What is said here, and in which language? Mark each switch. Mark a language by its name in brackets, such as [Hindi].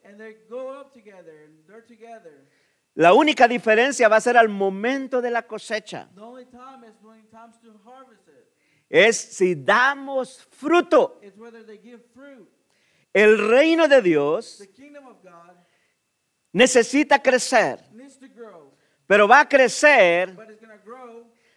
[English] And they go up together and they're together. [Spanish] La única diferencia va a ser al momento de la cosecha. [English] The only time is when it comes to harvest it. [Spanish] Es si damos fruto. [English] It's whether they give fruit. [Spanish] El reino de Dios, [English] the kingdom of God, [Spanish] necesita crecer, [English] needs to grow, [Spanish] pero va a crecer, [English] but it's gonna grow,